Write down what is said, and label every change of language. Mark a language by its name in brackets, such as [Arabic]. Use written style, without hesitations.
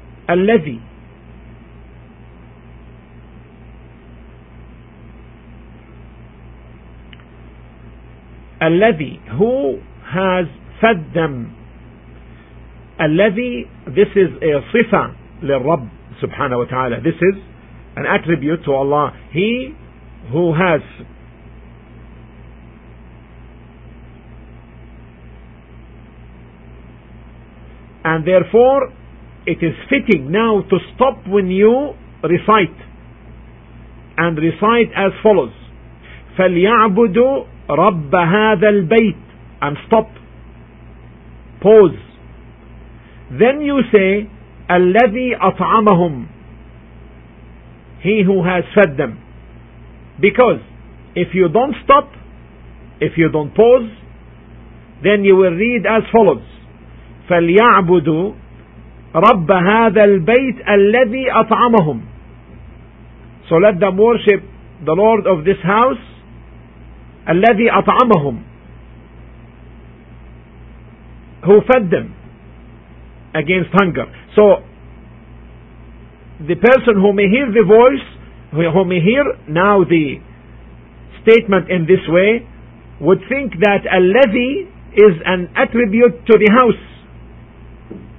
[Arabic] الذي الذي, [English] who has fed them. الذي, this is a sifa [Arabic] للرب سبحانه وتعالى. [English] This is an attribute to Allah. He who has and therefore it is fitting now to stop when you recite and recite as follows. [Arabic] فليعبدوا رب هذا البيت. [English] And stop. Pause. Then you say, [Arabic] الذي أطعمهم. [English] He who has fed them. Because if you don't stop, if you don't pause, then you will read as follows. [Arabic] فليعبدوا رب هذا البيت الذي أطعمهم. [English] So let them worship the Lord of this house, [Arabic] الذي أطعمهم, [English] who fed them against hunger. So the person who may hear the voice, who may hear now the statement in this way, would think that الذي is an attribute to the house.